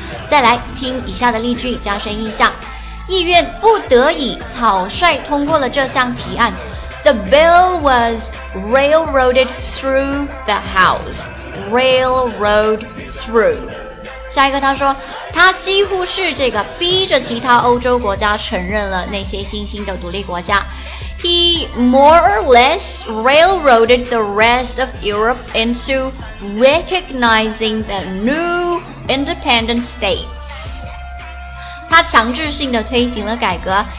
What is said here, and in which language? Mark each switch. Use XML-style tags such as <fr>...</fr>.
<zh>再来听以下的例句加深印象。议院不得已草率通过了这项提案。</zh> <en>The bill was railroaded through the house。 Railroad through。</en> <zh>下一个他说，他几乎是这个逼着其他欧洲国家承认了那些新兴的独立国家。</zh> <en>He more or less railroaded the rest of Europe into recognizing the new independent state。</en> <zh>他强制性的推行了改革。</zh>